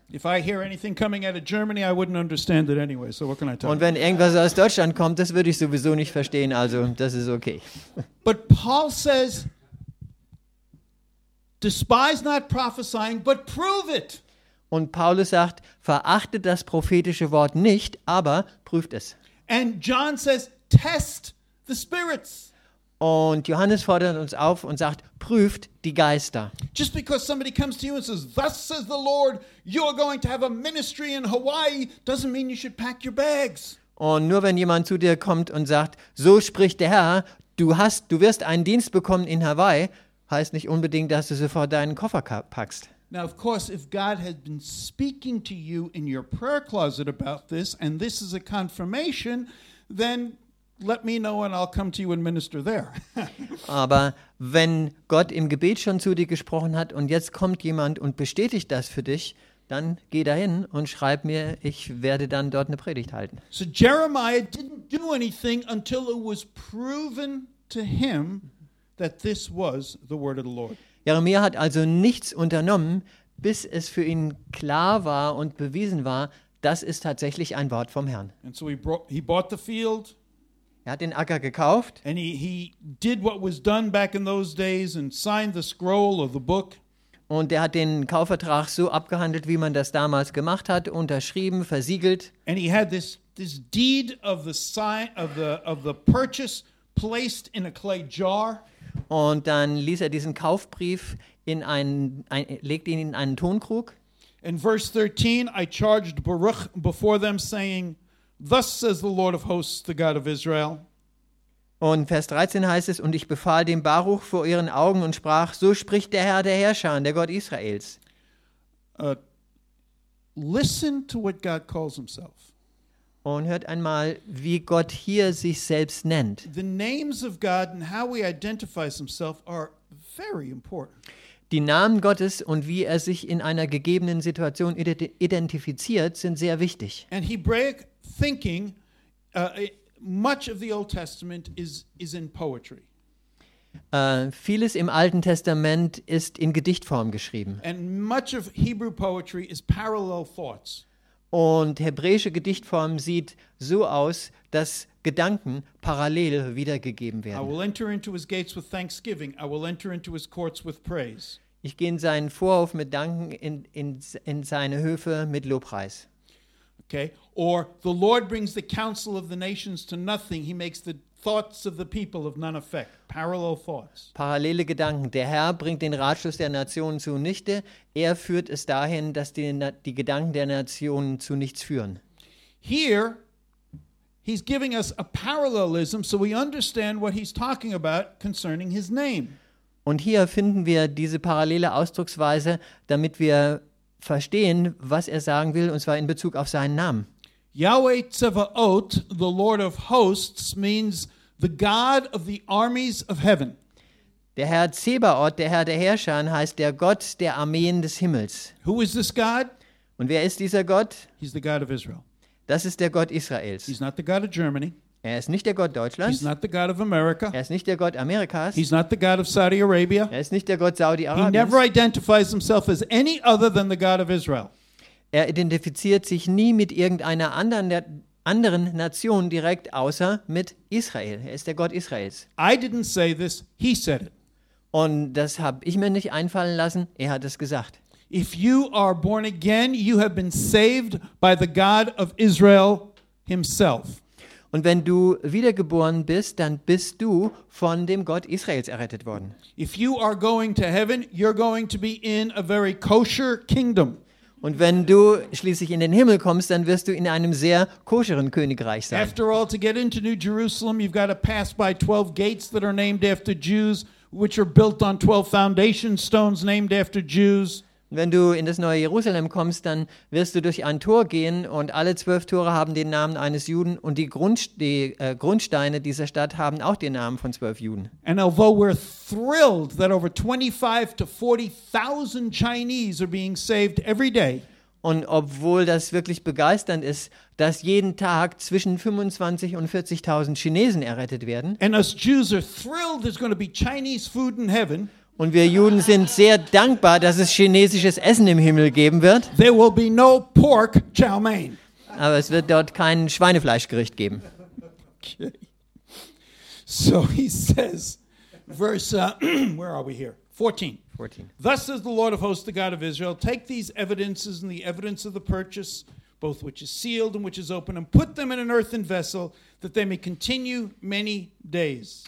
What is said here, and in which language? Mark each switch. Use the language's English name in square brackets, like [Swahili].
[English] If I hear anything coming out of Germany, I wouldn't understand it anyway. So what can I tell? [German] Und wenn irgendwas aus Deutschland kommt, das würde ich sowieso nicht verstehen, also das ist okay. [English] But Paul says, despise not prophesying, but prove it. [German] Und Paulus sagt, verachtet das prophetische Wort nicht, aber prüft es. [English] And John says, test the spirits. [German] Und Johannes fordert uns auf und sagt, prüft die Geister. [English] Just because somebody comes to you and says, thus says the Lord, you are going to have a ministry in Hawaii, doesn't mean you should pack your bags. [German] Und nur wenn jemand zu dir kommt und sagt, so spricht der Herr, du wirst einen Dienst bekommen in Hawaii, heißt nicht unbedingt, dass du sofort deinen Koffer packst. [English] Now of course, if God has been speaking to you in your prayer closet about this, and this is a confirmation, then let me know and I'll come to you and minister there. [German] Aber wenn Gott im Gebet schon zu dir gesprochen hat und jetzt kommt jemand und bestätigt das für dich, dann geh dahin und schreib mir, ich werde dann dort eine Predigt halten. [English] So Jeremiah didn't do anything until it was proven to him that this was the word of the Lord. [German] Jeremia hat also nichts unternommen, bis es für ihn klar war und bewiesen war, das ist tatsächlich ein Wort vom Herrn. [English] And so he bought the field. [German] Er hat den Acker gekauft. [English] And he did what was done back in those days and signed the scroll of the book. [German] Und er hat den Kaufvertrag so abgehandelt, wie man das damals gemacht hat, unterschrieben, versiegelt. [English] And he had this deed of the sign of the purchase placed in a clay jar. [German] Und dann ließ er diesen Kaufbrief legt ihn in einen Tonkrug. [English] In verse 13, I charged Baruch before them, saying, thus says the Lord of hosts, the God of Israel. [German] Und Vers 13 heißt es, und ich befahl dem Baruch vor ihren Augen und sprach, so spricht der Herr der Herrscher, der Gott Israels. [English] Listen to what God calls himself. [German] Und hört einmal, wie Gott hier sich selbst nennt. [English] The names of God and how he identifies himself are very important. [German] Die Namen Gottes und wie er sich in einer gegebenen Situation identifiziert, sind sehr wichtig. [English] And Hebraic thinking, much of the Old Testament is in poetry. [German] Vieles im Alten Testament ist in Gedichtform geschrieben. [English] And much of Hebrew poetry is parallel thoughts. [German] Und hebräische Gedichtform sieht so aus, dass Gedanken parallel wiedergegeben werden. [English] I will enter into his gates with thanksgiving. I will enter into his courts with praise. [German] Ich gehe in seinen Vorhof mit Danken, in seine Höfe mit Lobpreis. [English] Okay. Or the Lord brings the counsel of the nations to nothing. He makes the thoughts of the people of none effect. Parallel thoughts. [German] Parallele Gedanken. Der Herr bringt den Ratschluss der Nationen zunichte. Er führt es dahin, dass die Gedanken der Nationen zu nichts führen. [English] Here, he's giving us a parallelism, so we understand what he's talking about concerning his name. [German] Und hier finden wir diese parallele Ausdrucksweise, damit wir verstehen, was er sagen will, und zwar in Bezug auf seinen Namen. [English] Yahweh Tzevaot, the Lord of hosts, means the God of the armies of heaven. [German] Der Herr Zebaot, der Herr der Herrscher, heißt der Gott der Armeen des Himmels. [English] Who is this God? [German] Und wer ist dieser Gott? [English] He's the God of Israel. [German] Das ist der Gott Israels. [English] He's not the God of Germany. [German] Er ist nicht der Gott Deutschlands. [English] He's not the God of America. [German] Er ist nicht der Gott Amerikas. [English] He's not the God of Saudi Arabia. [German] Er ist nicht der Gott Saudi-Arabiens. [English] He never identifies himself as any other than the God of Israel. [German] Er identifiziert sich nie mit irgendeiner anderen Nation direkt, außer mit Israel. Er ist der Gott Israels. [English] I didn't say this, he said it. [German] Und das habe ich mir nicht einfallen lassen, er hat es gesagt. [English] If you are born again, you have been saved by the God of Israel himself. [German] Und wenn du wiedergeboren bist, dann bist du von dem Gott Israels errettet worden. [English] If you are going to heaven, you're going to be in a very kosher kingdom. [German] Und wenn du schließlich in den Himmel kommst, dann wirst du in einem sehr koscheren Königreich sein. [English] After all, to get into New Jerusalem, you've got to pass by 12 gates that are named after Jews, which are built on 12 foundation stones named after Jews. [German] Wenn du in das neue Jerusalem kommst, dann wirst du durch ein Tor gehen und alle 12 Tore haben den Namen eines Juden und die Grundsteine dieser Stadt haben auch den Namen von 12 Juden. [English] And although we're thrilled that over 25 to 40,000 Chinese are being saved every day. [German] Und obwohl das wirklich begeisternd ist, dass jeden Tag zwischen 25 und 40,000 Chinesen errettet werden. [English] And us Jews are thrilled there's going to be Chinese food in heaven. [German] Und wir Juden sind sehr dankbar, dass es chinesisches Essen im Himmel geben wird. [English] There will be no pork chow mein. [German] Aber es wird dort kein Schweinefleischgericht geben. [English] Okay. So he says, verse, where are we here? 14. 14. Thus says the Lord of hosts, the God of Israel, take these evidences and the evidence of the purchase, both which is sealed and which is open, and put them in an earthen vessel, that they may continue many days.